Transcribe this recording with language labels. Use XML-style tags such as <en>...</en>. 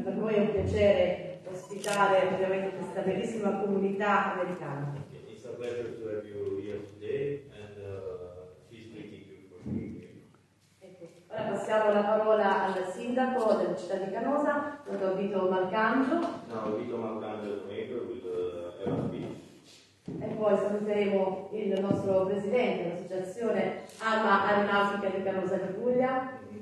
<it>noi è un piacere ospitare ovviamente questa bellissima comunità americana.</it> <en>It's a pleasure to have you here today and please thank you for being here.</en> <it>Ecco. Ora passiamo la parola al sindaco della città di Canosa, dottor Vito Malcangelo. No, Vito Malcangelo, neighbor with FB. E poi saluteremo il nostro presidente dell'associazione Alma Aeronautica di Canosa di Puglia.</it>